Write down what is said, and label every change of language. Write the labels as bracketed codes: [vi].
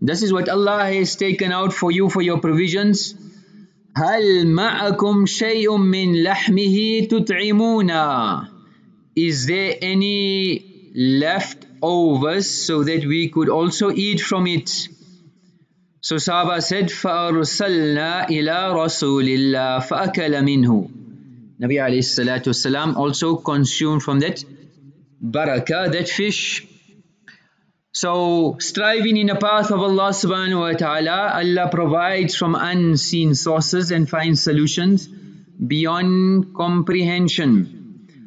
[en] This is what Allah has taken out for you for your provisions. [ar] هَلْ مَعَكُمْ شَيْءٌ مِّنْ لَحْمِهِ تُطْعِمُونَ. [en] Is there any leftovers so that we could also eat from it? So sahaba said, [ar] فَأَرْسَلْنَا إِلَىٰ رَسُولِ اللَّهِ فَأَكَلَ مِنْهُ. [en] Nabi alayhi salatu wasalam also consumed from that barakah, that fish. So striving in the path of Allah subhanahu wa ta'ala, Allah provides from unseen sources and finds solutions beyond comprehension.